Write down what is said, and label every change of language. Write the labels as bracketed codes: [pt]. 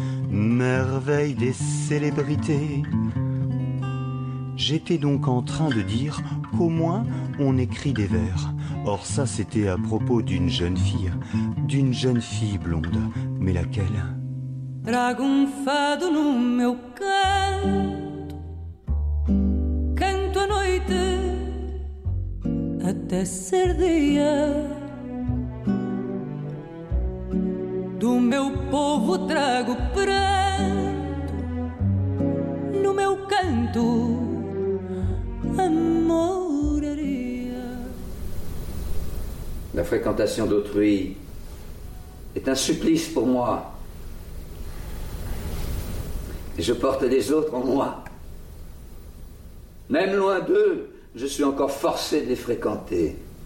[fr] Merveille des célébrités. J'étais donc en train de dire qu'au moins on écrit des vers. Or ça c'était à propos d'une jeune fille blonde, mais laquelle ? [pt] Trago um fado no meu canto, canto a noite até ser dia. Do meu povo trago pranto no meu canto, amoraria. [fr] La fréquentation d'autrui est un supplice pour moi. Je porte des autres en moi. Même loin d'eux, je suis encore forcé de les fréquenter.